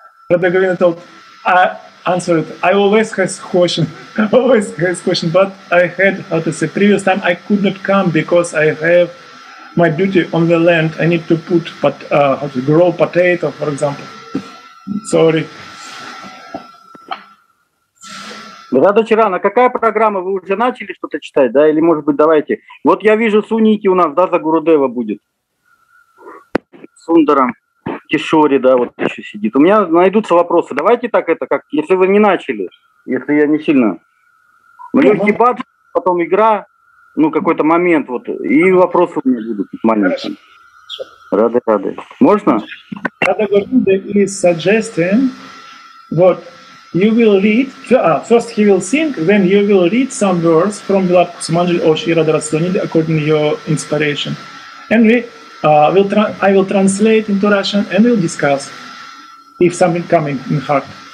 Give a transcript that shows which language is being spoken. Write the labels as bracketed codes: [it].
[en] Rada Govinda told, answered, I always has question, but I had, how to say, previous time I could not come because I have my duty on the land. I need to put, how to grow potato, for example. Sorry. [ru] Рада Чиран, а какая программа? Вы уже начали что-то читать, да? Или, может быть, давайте. Вот я вижу, Суники у нас, да, за Гурудева будет. Сундарам. Кишори, да, вот еще сидит. У меня найдутся вопросы. Давайте так это, как если вы не начали. если я не сильно. Ну, легкий бад, потом игра, ну, какой-то момент, вот, и вопросы у меня будут маленькие. Рады-рады. Можно? [en] Рады-гурунда is suggesting, [ru] вот, [en] you will read, first he will sing, then you will read some words from Vilap Kusumanjali or Shri Radha Rastonili according to your inspiration. And we, I will translate into Russian and we'll discuss if something coming in heart.